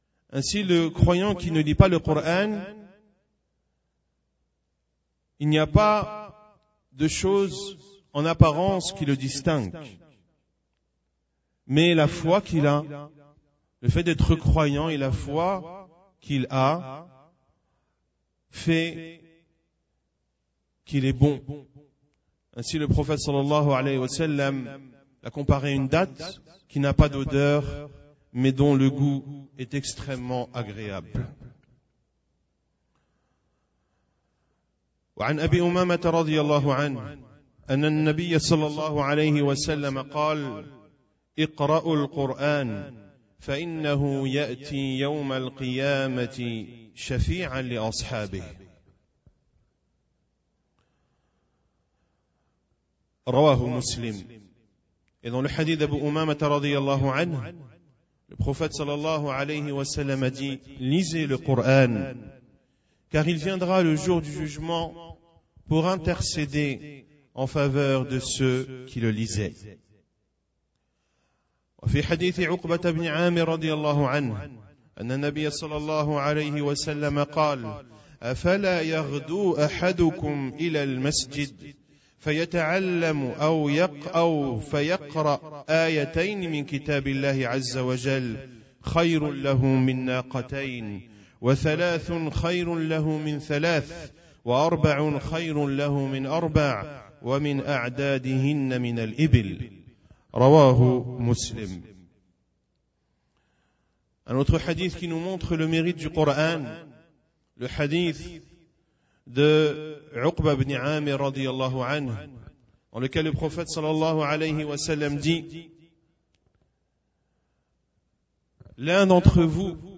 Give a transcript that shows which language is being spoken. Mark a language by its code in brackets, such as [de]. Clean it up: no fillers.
[fr] Ainsi, le croyant qui ne lit pas le Coran, il n'y a pas de choses en apparence qui le distingue, mais la foi qu'il a, le fait d'être croyant et la foi qu'il a fait qu'il est bon. Ainsi, le prophète sallallahu alayhi wa sallam a comparé une datte qui n'a pas d'odeur, mais dont le goût est extrêmement agréable. [ar] وعن أبي أمامة رضي الله عنه أن النبي صلى الله عليه وسلم قال: اقرأوا القرآن فإنه يأتي يوم القيامة شفيعا لأصحابه. رواه مسلم. إذن الحديث أبو أمامة رضي الله عنه [fr] le prophète sallallahu alayhi wa sallam a dit: lisez le Coran, car il viendra le jour du jugement pour intercéder en faveur de ceux qui le lisaient. [ar] وفي حديث عقبة بن عامر رضي الله عنه أن النبي صلى الله عليه وسلم قال: أفلا يغدو أحدكم إلى المسجد فيتعلم أو فيقرأ آيتين من كتاب الله عز وجل خير له من ناقتين، وثلاث خير له من ثلاث، وأربع خير له من أربع، ومن أعدادهن من الإبل. رواه مسلم. [fr] Un autre hadith qui nous montre le mérite du Coran, le hadith de Uqba ibn Amir radiyallahu anhu, dans lequel le prophète sallallahu alayhi wa sallam dit: l'un d'entre vous,